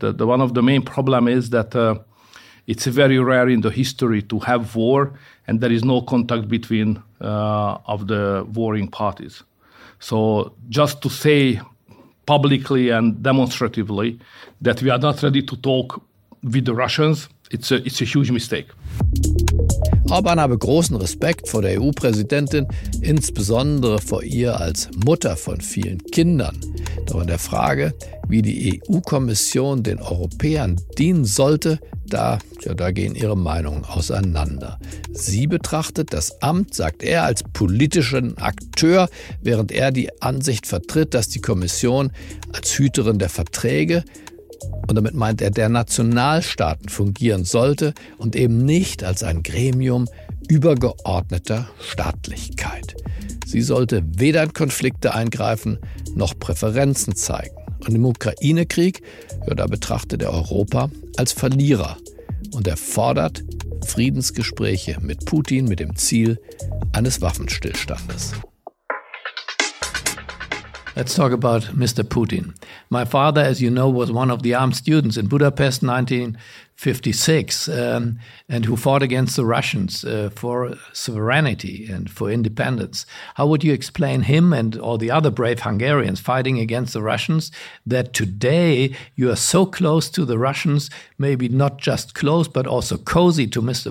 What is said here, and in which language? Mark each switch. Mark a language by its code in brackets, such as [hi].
[en] The one of the main problem is that it's very rare in the history to have war and there is no contact between of the warring parties. So just to say publicly and demonstratively that we are not ready to talk with the Russians, it's a huge mistake. [de] Orbán habe großen Respekt vor der EU-Präsidentin, insbesondere vor ihr als Mutter von vielen Kindern. Doch in der Frage, wie die EU-Kommission den Europäern dienen sollte, da gehen ihre Meinungen auseinander. Sie betrachtet das Amt, sagt er, als politischen Akteur, während er die Ansicht vertritt, dass die Kommission als Hüterin der Verträge Und damit meint er, der Nationalstaaten fungieren sollte und eben nicht als ein Gremium übergeordneter Staatlichkeit. Sie sollte weder in Konflikte eingreifen noch Präferenzen zeigen. Und im Ukraine-Krieg, ja, da betrachtet er Europa als Verlierer. Und er fordert Friedensgespräche mit Putin mit dem Ziel eines Waffenstillstandes. [en] Let's talk about Mr. Putin. My father, as you know, was one of the armed students in Budapest 1956 and who fought against the Russians for sovereignty and for independence. How would you explain him and all the other brave Hungarians fighting against the Russians that today you are so close to the Russians, maybe not just close, but also cozy to Mr.